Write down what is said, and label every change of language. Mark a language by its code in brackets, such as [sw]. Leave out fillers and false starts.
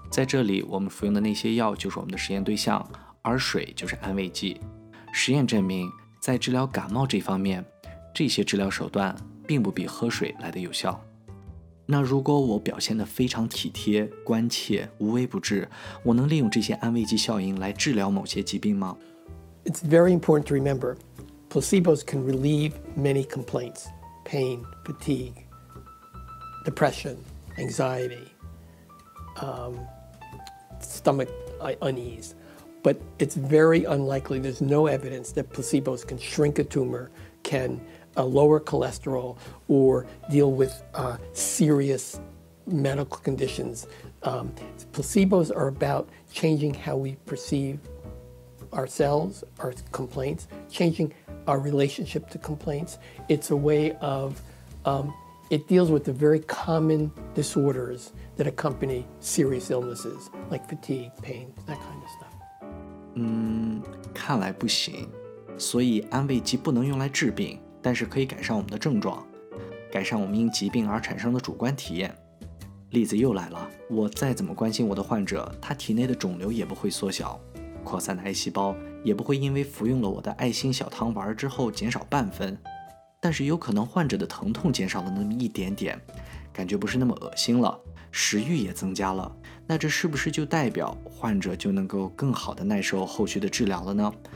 [zh] 在这里，我们服用的那些药就是我们的实验对象，而水就是安慰剂。实验证明，在治疗感冒这方面，这些治疗手段并不比喝水来得有效。那如果我表现得非常体贴、关切、无微不至，我能利用这些安慰剂效应来治疗某些疾病吗？ [en] It's very important to remember, placebos can relieve many complaints. Pain, fatigue, depression, anxiety, stomach unease. But it's very unlikely, there's no evidence that placebos can shrink a tumor, can lower cholesterol, or deal with serious medical conditions. Placebos are about changing how we perceive ourselves, our complaints, changing our relationship to complaints. It's a way of, it deals with the very common disorders that accompany serious illnesses, like fatigue, pain, that kind of stuff. [zh] 看来不行。所以安慰剂不能用来治病，但是可以改善我们的症状，改善我们因疾病而产生的主观体验。例子又来了，我再怎么关心我的患者，他体内的肿瘤也不会缩小，扩散的癌细胞也不会因为服用了我的爱心小糖丸之后减少半分，但是有可能患者的疼痛减少了那么一点点，感觉不是那么恶心了，食欲也增加了，那这是不是就代表患者就能够更好的耐受后续的治疗了呢？